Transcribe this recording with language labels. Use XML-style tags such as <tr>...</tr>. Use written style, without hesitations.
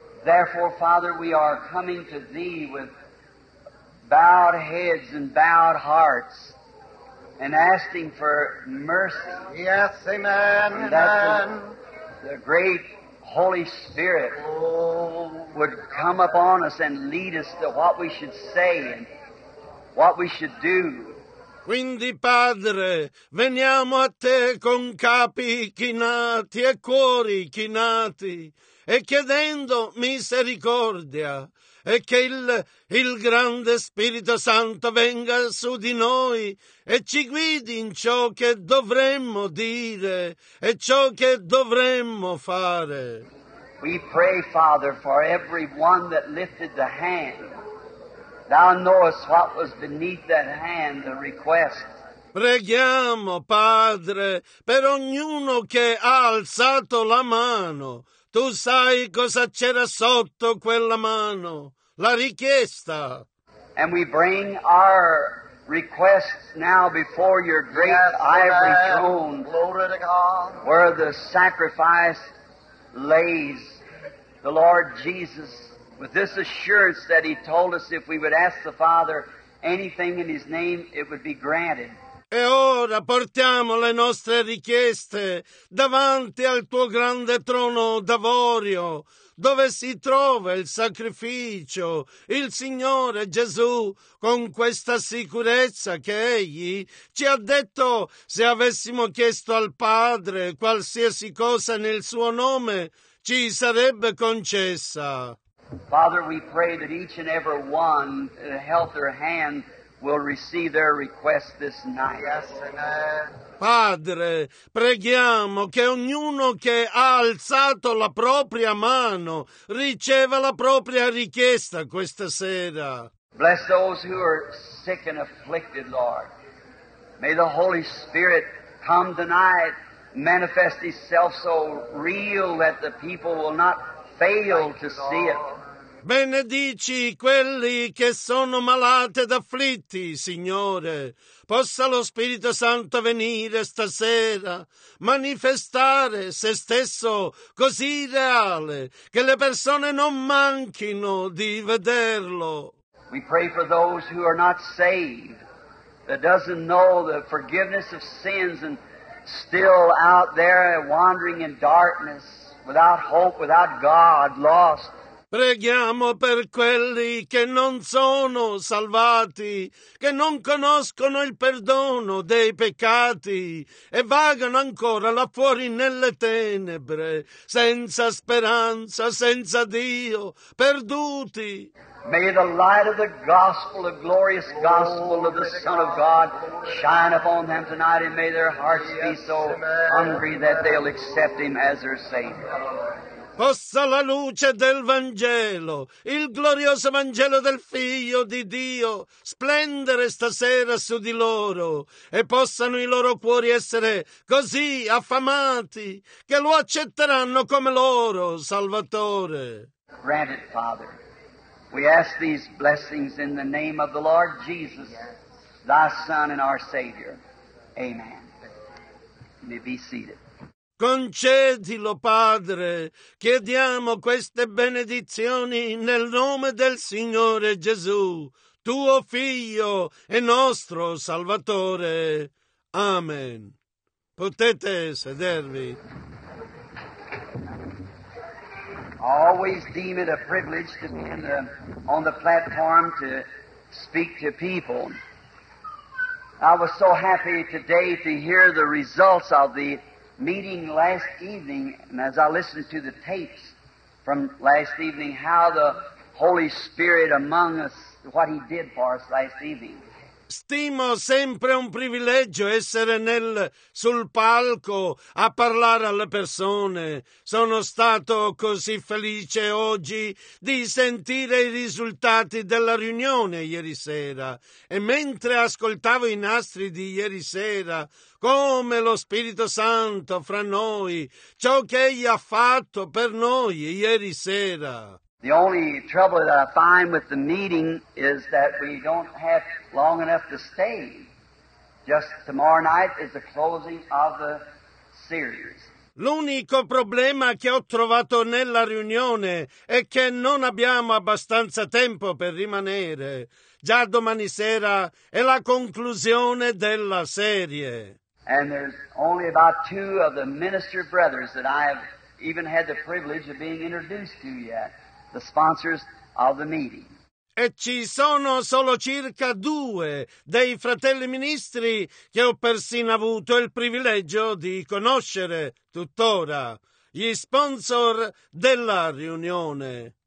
<en>Therefore, Father, we are coming to Thee with bowed heads and bowed hearts and asking for mercy. Yes, amen. And that the great Holy Spirit would come upon us and lead us to what we should say and what we should do.</en> <it>Quindi, Padre, veniamo a te con capi chinati e cuori chinati e chiedendo misericordia e che il grande Spirito Santo venga su di noi e ci guidi in ciò che dovremmo dire e ciò che dovremmo fare.</it> <en>We pray, Father, for everyone that lifted the hand. Thou knowest what was beneath that hand, the request.</en> <it>Preghiamo, Padre, per ognuno che ha alzato la mano. Tu sai cosa c'era sotto quella mano, la richiesta.</it> <en>And we bring our requests now before your great ivory throne, glory to God, where the sacrifice lays, the Lord Jesus. With this assurance that He told us if we would ask the Father anything in His name, it would be granted.</en> <it>E ora portiamo le nostre richieste davanti al Tuo grande trono d'avorio, dove si trova il sacrificio, il Signore Gesù, con questa sicurezza che Egli ci ha detto se avessimo chiesto al Padre qualsiasi cosa nel Suo nome, ci sarebbe concessa.</it> <en>Father, we pray that each and every one in a healthy hand will receive their request this night. Yes,</en> <it>Padre, preghiamo che ognuno che ha alzato la propria mano riceva la propria richiesta questa sera.</it> <en>Bless those who are sick and afflicted, Lord. May the Holy Spirit come tonight, manifest Himself so real that the people will not fail to see it.</en> <it>Benedici quelli che sono malati ed afflitti, Signore. Possa lo Spirito Santo venire stasera, manifestare se stesso così reale, che le persone non manchino di vederlo.</it> <en>We pray for those who are not saved, that doesn't know the forgiveness of sins and still out there wandering in darkness, without hope, without God, lost.</en> <it>Preghiamo per quelli che non sono salvati, che non conoscono il perdono dei peccati e vagano ancora là fuori nelle tenebre, senza speranza, senza Dio, perduti.</it> <en>May the light of the gospel, the glorious gospel of the Son of God, shine upon them tonight, and may their hearts be so hungry that they'll accept Him as their Savior.</en> <it>Possa la luce del Vangelo, il glorioso Vangelo del Figlio di Dio, splendere stasera su di loro e possano i loro cuori essere così affamati che lo accetteranno come loro Salvatore.</it> <en>Grant it, Father. We ask these blessings in the name of the Lord Jesus, Thy Son and our Savior. Amen. You may be seated.</en> <it>Concedilo, Padre, chiediamo queste benedizioni nel nome del Signore Gesù, tuo Figlio e nostro Salvatore. Amen. Potete sedervi.</it> <en>Always deem it a privilege to be on the platform to speak to people. I was so happy today to hear the results of the meeting last evening, and as I listened to the tapes from last evening, how the Holy Spirit among us, what He did for us last evening.</en> <it>Stimo sempre un privilegio essere sul palco a parlare alle persone. Sono stato così felice oggi di sentire i risultati della riunione ieri sera. E mentre ascoltavo i nastri di ieri sera, come lo Spirito Santo fra noi, ciò che Egli ha fatto per noi ieri sera.</it> <en>The only trouble that I find with the meeting is that we don't have long enough to stay. Just tomorrow night is the closing of the series.</en> <it>L'unico problema che ho trovato nella riunione è che non abbiamo abbastanza tempo per rimanere. Già domani sera è la conclusione della serie.</it> <en>And there's only about two of the minister brothers that I have even had the privilege of being introduced to yet. The sponsors of the meeting.</en> <it>E ci sono solo circa due dei fratelli ministri che ho persino avuto il privilegio di conoscere tuttora, gli sponsor della riunione.</it>